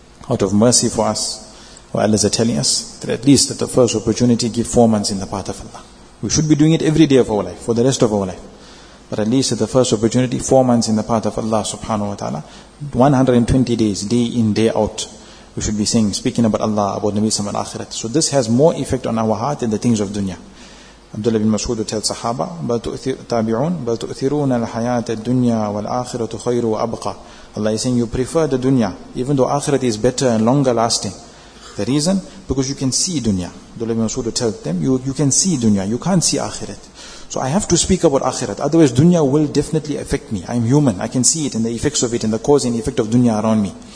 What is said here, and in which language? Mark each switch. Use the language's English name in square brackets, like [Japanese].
[English] Out of mercy for us, what Allah is telling us, that at least at the first opportunity, give 4 months in the path of Allah. We should be doing it every day of our life, for the rest of our life. But at least at the first opportunity, 4 months in the path of Allah subhanahu wa ta'ala, 120 days, day in, day out, we should be saying, speaking about Allah, about Nabi Sallallahu Alaihi Wasallam and Akhirat. So this has more effect on our heart than the things of dunya. Abdullah bin Mas'ud would tell Sahaba, [Arabic] بَلْ تُؤْثِرُونَ الْحَيَاةَ الدُّنْيَا وَالْآخِرَةُ خَيْرُ وَأَبْقَى. [English] Allah is saying, you prefer the dunya, even though Akhirat is better and longer lasting. The reason? Because you can see dunya. Abdullah bin Mas'ud would tell them, you can see dunya, you can't see Akhirat. So I have to speak about Akhirat, otherwise dunya will definitely affect me. I'm human, I can see it and the effects of it and the cause and effect of dunya around me.